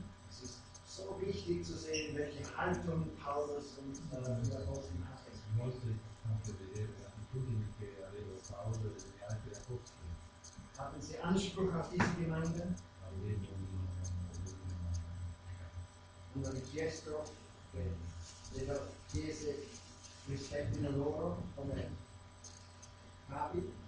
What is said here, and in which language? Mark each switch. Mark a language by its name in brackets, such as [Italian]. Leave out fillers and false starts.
[German] Es ist so wichtig zu sehen, welche Haltung Paulus und die Apostel hatten. [Italian] Molto importante vedere le attitudini che aveva Paolo e gli altri apostoli. [German] Hatten sie Anspruch auf diese Gemeinde? [Italian] Hanno richiesto che le chiese rispettino loro come capi?